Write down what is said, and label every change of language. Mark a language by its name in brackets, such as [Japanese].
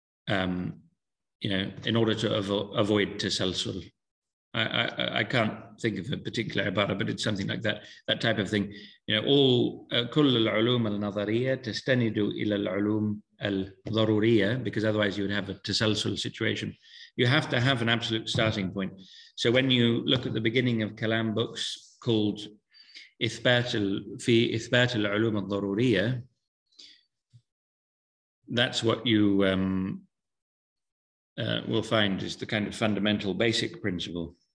[English] In order to avoid تسلسل. I can't think of a particular عبارة, but it's something like that type of thing. [Arabic] كل العلوم النظرية تستند إلى العلوم الضرورية, [English] because otherwise you would have a تسلسل situation. You have to have an absolute starting point. So when you look at the beginning of Kalam books called إثبات العلوم الضرورية, that's what you will find is the kind of fundamental basic principle.